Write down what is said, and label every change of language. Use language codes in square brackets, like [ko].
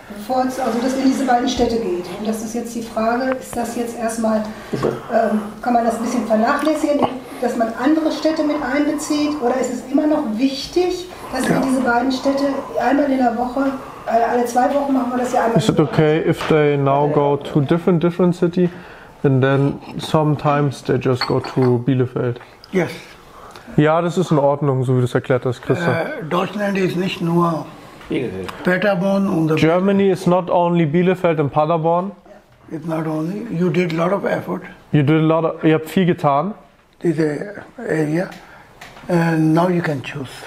[de] Also, dass ihr in diese beiden Städte geht. Und das ist jetzt die Frage, ist das jetzt erstmal, kann man das ein bisschen vernachlässigen, dass man andere Städte mit einbezieht? Oder ist es immer noch wichtig, dass ihr diese beiden Städte einmal in der Woche, alle 2 Wochen machen wir das ja einmal. [en] Is it okay if they now go to different city? And then sometimes they just go to Bielefeld. Yes. [de] Ja, das ist in Ordnung, so wie du es erklärt hast, Christa. Deutschland ist nicht nur Paderborn und [en] Germany is not only Bielefeld and Paderborn. It's not only. You did a lot of effort. You did a lot of, [de] ihr habt viel getan. [en] This area. And now you can choose.